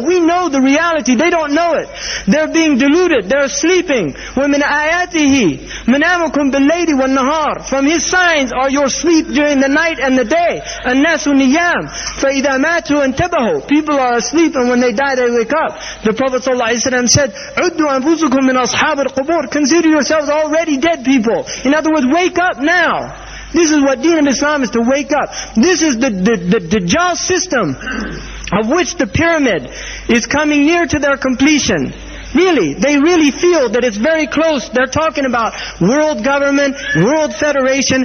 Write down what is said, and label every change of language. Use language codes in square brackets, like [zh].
[en] We know the reality, they don't know it. They're being deluded, they're sleeping. [ar] وَمِنْ آيَاتِهِ مَنَامُكُمْ بِاللَّيْلِ وَالنَّهَارِ. [en] From His signs are your sleep during the night and the day. [ar] النَّاسُ نِيَامْ فَإِذَا مَاتُوا انْتَبَهُ. [en] People are asleep, and when they die, they wake up. The Prophet ﷺ said, [ar] عُدُّوا أَنفُسُكُمْ مِنْ أَصْحَابِ الْقُبُورِ. [en] Consider yourselves already dead people. In other words, wake up now. This is what Deen of Islam is, to wake up. This is the Dajjal system of which the pyramid is coming near to their completion. Really, they really feel that it's very close. They're talking about world government, world federation.